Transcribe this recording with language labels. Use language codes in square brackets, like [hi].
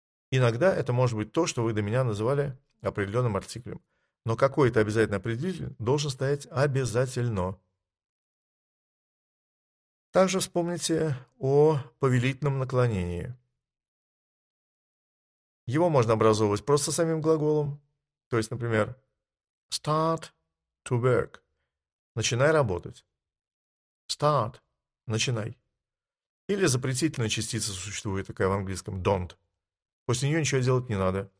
[ru] Иногда это может быть то, что вы до меня называли определенным артиклем. Но какой-то обязательный определитель должен стоять обязательно. Также вспомните о повелительном наклонении. Его можно образовывать просто самим глаголом. То есть, например, [en] start to work. [ru] Начинай работать. [en] Start. [ru] Начинай. Или запретительная частица существует такая в английском. [en] Don't. [ru] После нее ничего делать не надо.